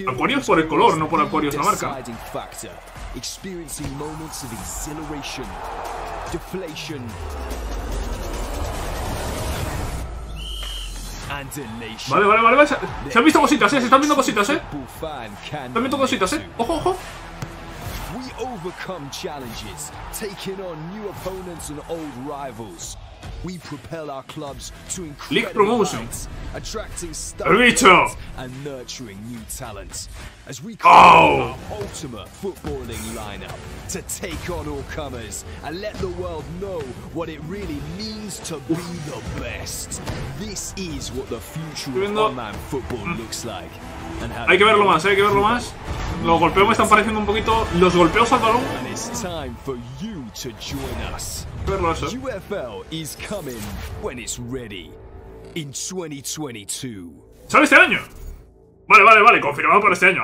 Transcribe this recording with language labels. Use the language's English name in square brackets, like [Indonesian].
[Spanish] Aquarius por el color, no por Aquarius la marca. [English] Experiencing moments of exhilaration, deflation, [Spanish] Vale, vale, vale, vale. Se han visto cositas, ¿eh? Se están viendo cositas, ¿eh? Están viendo cositas, ¿eh? ¡Ojo, ojo! [English] We overcome challenges, taking on new opponents and old rivals. We propel our clubs to increase promotions, attracting stars and nurturing new talents. As we call our ultimate footballing lineup to take on all comers and let the world know what it really means to be the best. This is what the future of online football looks like. [Spanish] Hay que verlo más, hay que verlo más. Los golpeos me están pareciendo un poquito. Los golpeos al balón. Hay que verlo eso. [English] UFL is coming when it's ready in 2022. [Spanish] ¿Sale este año? Vale, vale, vale, confirmado para este año.